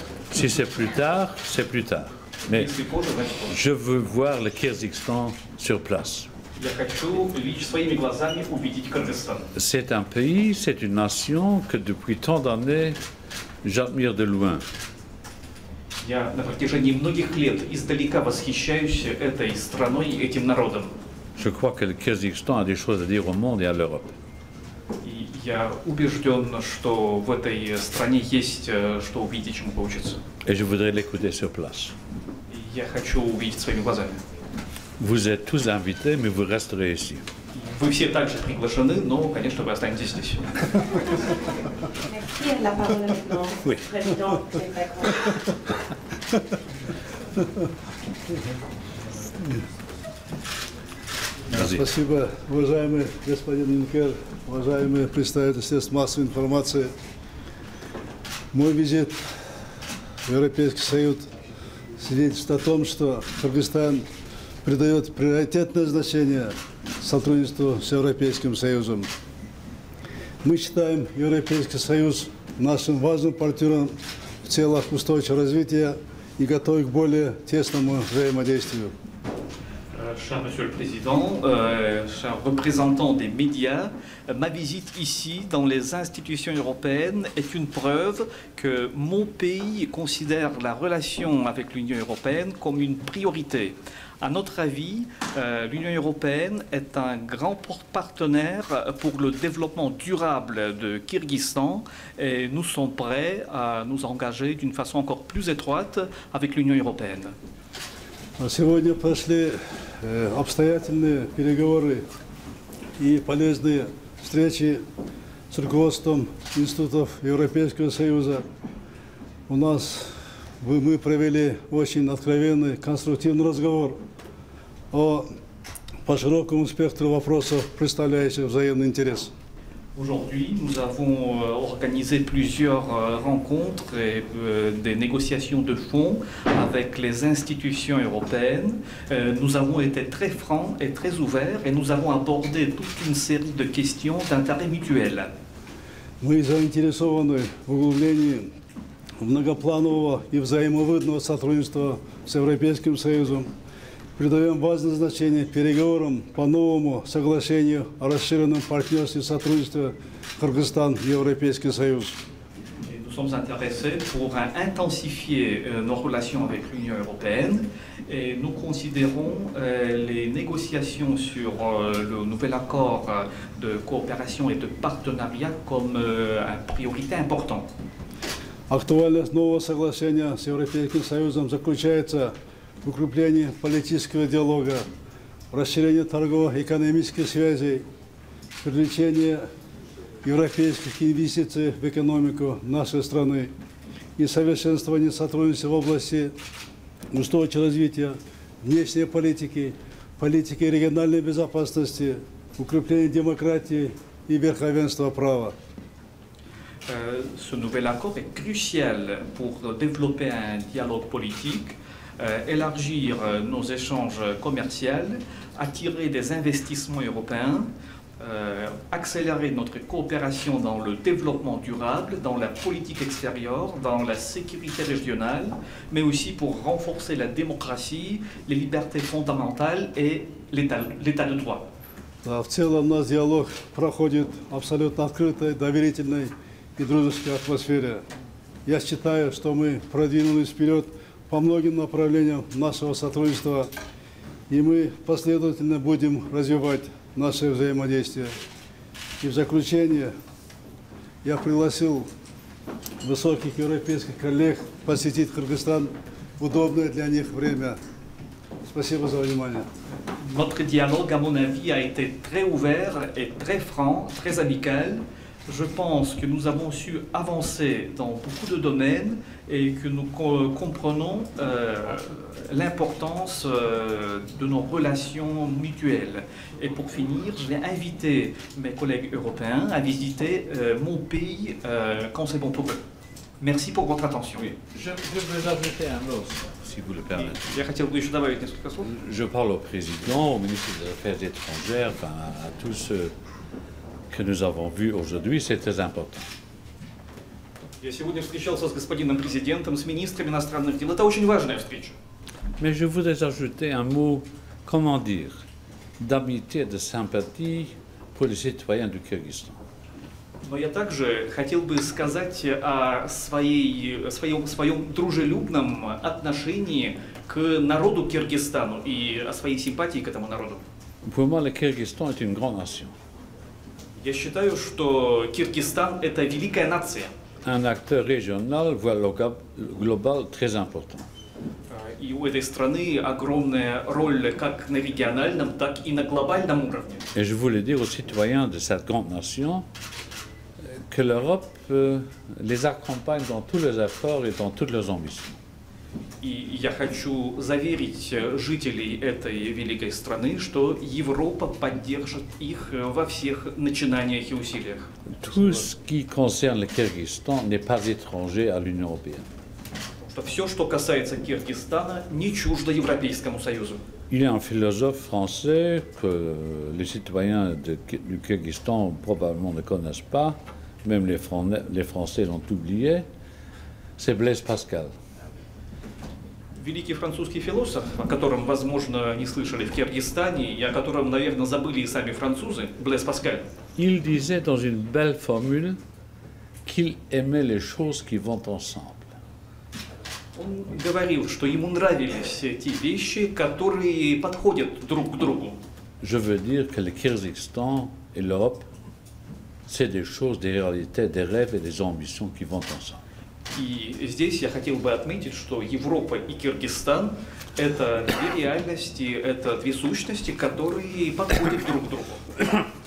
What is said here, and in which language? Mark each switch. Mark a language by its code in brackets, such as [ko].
[fr] Si c'est plus tard, c'est plus tard. Mais je veux voir le Kyrgyzstan sur place. [ru] Я хочу лично своими глазами увидеть Кыргызстан. [fr] C'est un pays, c'est une nation que depuis tant d'années j'admire de loin. [ru] Я на протяжении многих лет издалека восхищаюсь этой страной и этим народом. [fr] Je crois que le Kyrgyzstan a des choses à dire au monde et à l'Europe. [ru] Я убежден, что в этой стране есть что увидеть, чему поучиться. [fr] Et je voudrais l'écouter sur place. [ru] Я хочу увидеть своими глазами. [fr] Vous êtes tous invités, mais vous resterez ici. [ru] Вы все также приглашены, но, конечно, вы останетесь здесь. [fr] Merci, la parole est maintenant au président québécois. [ru] Спасибо, уважаемый господин Юнкер, уважаемые представители средств массовой информации. Мой визит в Европейский Союз свидетельствует о том, что Кыргызстан придает приоритетное значение сотрудничеству с Европейским Союзом. Мы считаем Европейский Союз нашим важным партнером в целях устойчивого развития и готовы к более тесному взаимодействию. [fr] Cher Monsieur le Président, cher représentant des médias, ma visite ici dans les institutions européennes est une preuve que mon pays considère la relation avec l'Union européenne comme une priorité. À notre avis, l'Union européenne est un grand partenaire pour le développement durable de Kyrgyzstan et nous sommes prêts à nous engager d'une façon encore plus étroite avec l'Union européenne. [ru] Сегодня прошли обстоятельные переговоры и полезные встречи с руководством институтов Европейского Союза. У нас мы провели очень откровенный, конструктивный разговор по широкому спектру вопросов, представляющих взаимный интерес. [fr] Aujourd'hui, nous avons organisé plusieurs rencontres et des négociations de fond avec les institutions européennes. Nous avons été très francs et très ouverts et nous avons abordé toute une série de questions d'intérêt mutuel. [ru] Мы заинтересованы в углублении многопланового и взаимовыгодного сотрудничества с Европейским Союзом. Придаем важное значение переговорам по новому соглашению о расширенном партнерстве и сотрудничестве Кыргызстан-Европейский Союз. [fr] Nous sommes intéressés pour intensifier nos relations avec l'Union européenne et nous considérons les négociations sur le nouvel accord de coopération et de partenariat comme une priorité importante. [ru] Актуальность нового соглашения с Европейским Союзом заключается в укреплении политического диалога, расширении торгово-экономических связей, привлечении европейских инвестиций в экономику нашей страны и совершенствовании сотрудничества в области устойчивого развития, внешней политики, политики региональной безопасности, укрепления демократии и верховенства права. [fr] Ce nouvel accord est crucial pour développer un dialogue politique, élargir nos échanges commerciaux, attirer des investissements européens, accélérer notre coopération dans le développement durable, dans la politique extérieure, dans la sécurité régionale, mais aussi pour renforcer la démocratie, les libertés fondamentales et l'état de droit. [ru] В целом, наш диалог проходит абсолютно открыто, доверительно. И дружеская атмосфера. Я считаю, что мы продвинулись вперед по многим направлениям нашего сотрудничества, и мы последовательно будем развивать наши взаимодействия. И в заключение я пригласил высоких европейских коллег посетить Кыргызстан в удобное для них время. Спасибо за внимание. [fr] Notre dialogue, à mon avis, a été très ouvert et très franc, très amical. Je pense que nous avons su avancer dans beaucoup de domaines et que nous comprenons l'importance de nos relations mutuelles. Et pour finir, je vais inviter mes collègues européens à visiter mon pays quand c'est bon pour eux. Merci pour votre attention. Oui. Je veux ajouter un mot, si vous le permettez. Je parle au président, au ministre des Affaires étrangères, enfin, à tous ceux que nous avons vu aujourd'hui, c'est très important. [ru] Я сегодня встречался с господином президентом, с министром иностранных дел. Это очень важная встреча. [fr] Mais je voudrais ajouter un mot, comment dire, d'amitié, de sympathie pour les citoyens du Kyrgyzstan. [ru] Но я также хотел бы сказать о своем дружелюбном отношении к народу Кыргызстану и о своей симпатии к этому народу. [fr] Pour moi, le Kyrgyzstan est une grande nation. [ru] Я считаю, что Кыргызстан – это великая нация. [fr] Un acteur régional, voire global, très important. [ru] И у этой страны огромная роль как на региональном, так и на глобальном уровне. [fr] Et je voulais dire aux citoyens de cette grande nation que l'Europe les accompagne dans tous leurs efforts et dans toutes leurs ambitions. [ru] И я хочу заверить жителей этой великой страны, что Европа поддержит их во всех начинаниях и усилиях. [fr] Tout ce qui concerne le Kyrgyzstan n'est pas étranger à l'Union européenne. [ru] Что все, что касается Киргизстана, не чуждо Европейскому Союзу. [fr] Il y a un philosophe français que les citoyens du Kyrgyzstan probablement ne connaissent pas, même les Français l'ont oublié, c'est Blaise Pascal. [ru] Великий французский философ, о котором, возможно, не слышали в Киргизстане, и о котором, наверное, забыли и сами французы, Блэс Паскаль. [fr] Il disait dans une belle formule qu'il aimait les choses qui vont ensemble. [ru] Он говорил, что ему нравились те вещи, которые подходят друг к другу. [fr] Je veux dire que le Kyrgyzstan et l'Europe, c'est des choses, des réalités, des rêves et des ambitions qui vont ensemble. [ru] И здесь я хотел бы отметить, что Европа и Киргизстан – это две реальности, это две сущности, которые подходят друг к другу.